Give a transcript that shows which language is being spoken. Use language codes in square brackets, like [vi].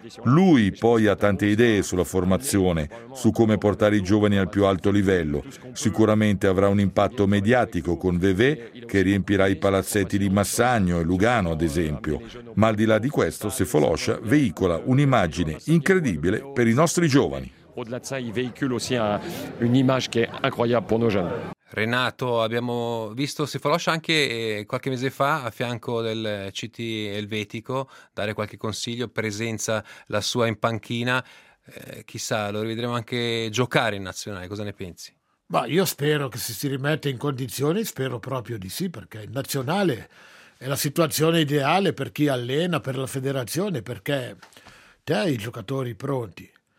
[it] Lui poi ha tante idee sulla formazione, su come portare i giovani al più alto livello. Sicuramente avrà un impatto mediatico con Vevé, che riempirà i palazzetti di Massagno e Lugano, ad esempio. Ma al di là di questo, Sefolosha veicola un'immagine incredibile per i nostri giovani. [fr] Au-delà de ça, il véhicule aussi un'image qui est incroyable pour nos jeunes. [it] Renato, abbiamo visto Sefolosha anche qualche mese fa a fianco del CT elvetico, dare qualche consiglio, presenza la sua in panchina, chissà, lo rivedremo anche giocare in nazionale, cosa ne pensi? Ma io spero che si rimette in condizioni, spero proprio di sì, perché in nazionale è la situazione ideale per chi allena, per la federazione, perché te hai i giocatori pronti.